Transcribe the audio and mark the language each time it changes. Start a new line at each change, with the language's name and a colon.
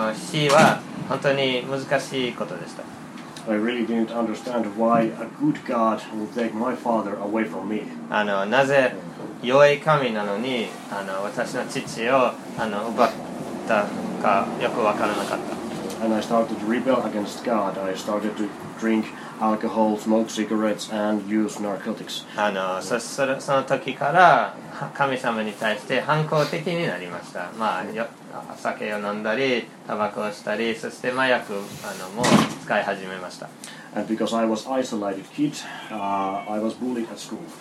Japanese: まあ神様は素晴らしい、神様は良いということを分かったから、お父さんの死は本当に難しいことでした。
English: I really didn't understand why a good God would take my father away from me.
Japanese: なぜ良い神なのに私の父を奪ったかよく分からなかった。
English: And I started to rebel against God. I started to drink alcohol, smoke cigarettes, and use narcotics.
Japanese: その時から神様に対して反抗的になりました。まあ、酒を飲んだり、タバコをしたり、そして麻薬も使い始めました。
English: And because I was isolated kid, I was bullied at school.